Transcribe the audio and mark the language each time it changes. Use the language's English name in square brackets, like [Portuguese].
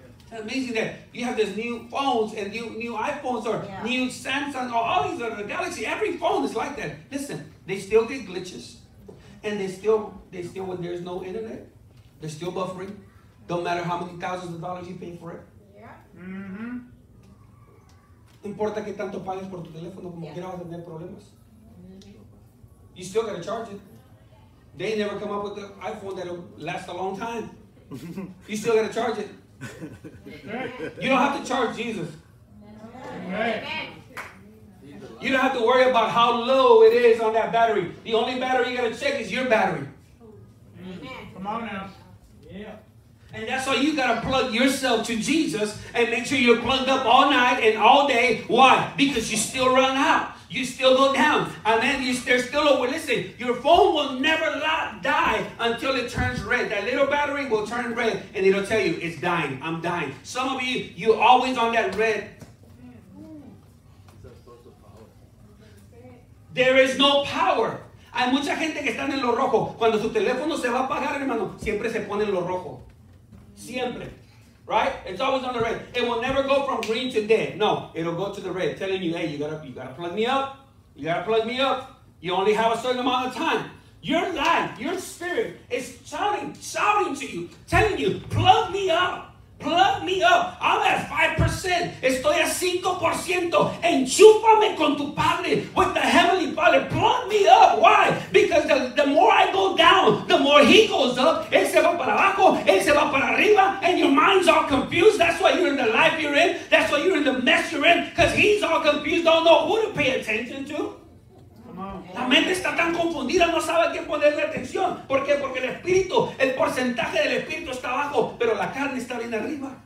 [English] It's amazing that you have these new phones and new iPhones or yeah. New Samsung or all these other galaxies. Every phone is like that. Listen, they still get glitches. And they still when there's no internet, they're still buffering. Don't matter how many thousands of dollars you pay for it. Yeah. Mm-hmm. [Spanish] Importa que tanto pagues por tu teléfono como quiera vas a tener problemas. [English] You still gotta charge it. They never come up with the iPhone that'll last a long time. You still gotta charge it. You don't have to charge Jesus. Amen. You don't have to worry about how low it is on that battery. The only battery you gotta check is your battery. Come on now. Yeah. And that's why you gotta plug yourself to Jesus and make sure you're plugged up all night and all day. Why? Because you still run out. You still go down. And then there's still a, listen, your phone will never die until it turns red. That little battery will turn red and it'll tell you, it's dying. I'm dying. Some of you, you're always on that red. There is no power. [Spanish] Hay mucha gente que están en lo rojo. Cuando su teléfono se va a apagar, hermano, siempre se pone en lo rojo. Siempre. [English] Right? It's always on the red. It will never go from green to dead. No, it'll go to the red, telling you, hey, you gotta plug me up. You gotta plug me up. You only have a certain amount of time. Your life, your spirit is shouting to you, telling you, plug me up. Plug me up. I'm at 5%. [Spanish] Estoy a 5%. Enchúpame con tu padre, [English] with the heavenly father. Plug me up. Why? Because the more I go down, the more he goes up. [Spanish] Él se va para abajo. Él se va para arriba. [English] And your mind's all confused. That's why you're in the life you're in. That's why you're in the mess you're in. Because he's all confused. Don't know who to pay attention to. [Spanish] La mente está tan confundida, no sabe a qué ponerle atención. ¿Por qué? Porque el espíritu, el porcentaje del espíritu está abajo, pero la carne está bien arriba.